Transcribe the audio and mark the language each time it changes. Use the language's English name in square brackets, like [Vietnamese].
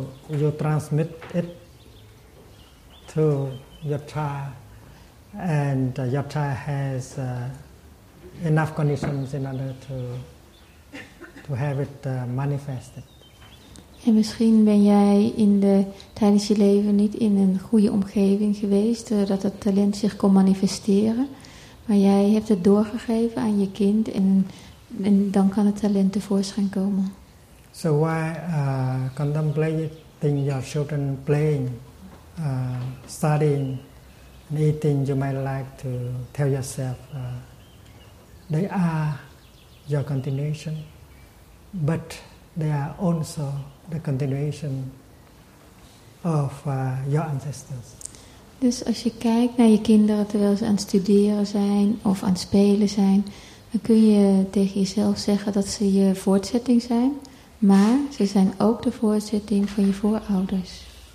[English] You transmit it to your child, and your child has enough conditions in order to have it manifested. [Dutch] En misschien ben jij tijdens je leven niet in een goede omgeving geweest, dat het talent zich kon manifesteren. Maar jij hebt het doorgegeven aan je kind en dan kan het talent tevoorschijn komen. [English] So why contemplating your children playing, studying and eating, you might like to tell yourself they are your continuation, but they are also the continuation of your ancestors. [Dutch] Dus als je kijkt naar je kinderen terwijl ze aan het studeren zijn of aan het spelen zijn, dan kun je tegen jezelf zeggen dat ze je voortzetting zijn, maar ze zijn ook de voortzetting van je voorouders.